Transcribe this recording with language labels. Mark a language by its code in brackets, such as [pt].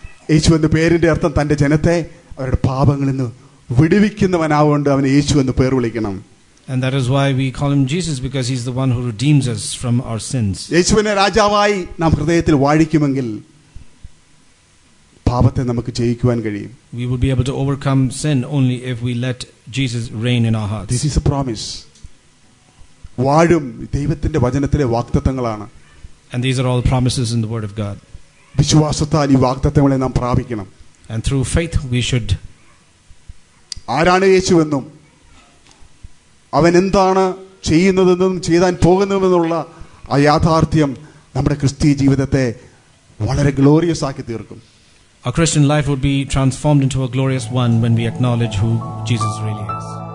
[ml] യേശു എന്ന പേരിന്റെ അർത്ഥം തന്റെ ജനത്തെ അവരുടെ പാപങ്ങളിൽ നിന്ന് വിടുവിക്കുന്നവനാകൊണ്ട് അവൻ യേശു എന്ന് പേര് വിളിക്കണം. [en] And that is why we call him Jesus, because he's the one who redeems us from our sins. [ml] യേശുവിനെ രാജാവായി നാം ഹൃദയത്തിൽ വാഴിക്കുമെങ്കിൽ പാപത്തെ നമുക്ക് ജയിക്കുവാൻ കഴിയും. [en] We will be able to overcome sin only if we let Jesus reign in our hearts. This is a promise. [ml] വാഴും ദൈവത്തിന്റെ വചനത്തിലെ വാഗ്ദത്തങ്ങളാണ്. [en] And these are all promises in the word of God. [ml] വിശ്വാസത്താൽ ഈ വാഗ്ദത്തങ്ങളെ നാം പ്രാപിക്കണം. [en] And through faith we should. [ml] ആരാണ് യേശുവെന്നും അവൻ എന്താണ് ചെയ്യുന്നതെന്നും ചെയ്യാൻ പോകുന്നതെന്നുള്ള ആ യാഥാർത്ഥ്യം നമ്മുടെ ക്രിസ്തീയ ജീവിതത്തെ വളരെ ഗ്ലോറിയസ് ആക്കി തീർക്കും. [en] A Christian life would be transformed into a glorious one when we acknowledge who Jesus really is.